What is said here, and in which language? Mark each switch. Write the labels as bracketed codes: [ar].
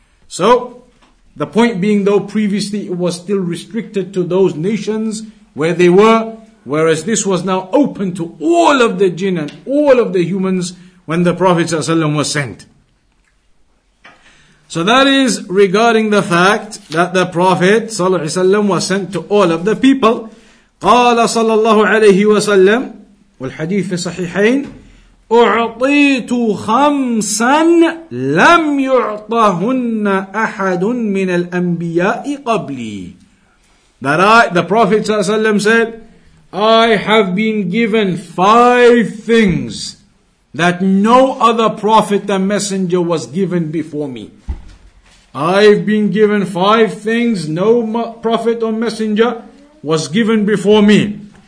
[en] So, the point being though, previously it was still restricted to those nations where they were, whereas this was now open to all of the jinn and all of the humans when the Prophet ﷺ was sent. So that is regarding the fact that the Prophet ﷺ was sent to all of the people. [ar] قال صلى الله عليه وسلم والحديث في صحيحين أعطيت خمسا لم يعطهن أحد من الأنبياء قبلي. [en] That the Prophet ﷺ said, I have been given five things that no other prophet and messenger was given before me. I've been given five things no prophet or messenger was given before me.